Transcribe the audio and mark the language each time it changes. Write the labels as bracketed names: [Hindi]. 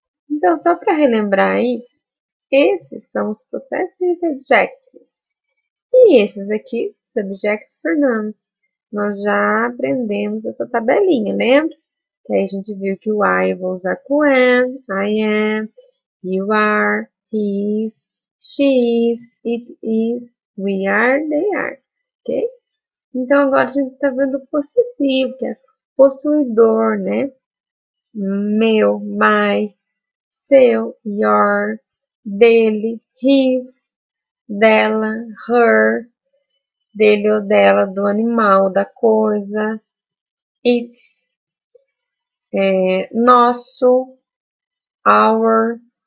[Portuguese] Então, só para relembrar aí, esses são os possessive adjectives. E esses aqui, subject pronouns. Nós já aprendemos essa tabelinha, lembra? Que aí a gente viu que o I eu vou usar com am, [English] I am. You are, he is, she is, it is, we are, they are. Ok? [Portuguese] Então agora a gente está vendo o possessivo, que é possuidor, né? Meu, my, seu, your, dele, his, dela, her, dele ou dela, do animal, da coisa, it, nosso, our.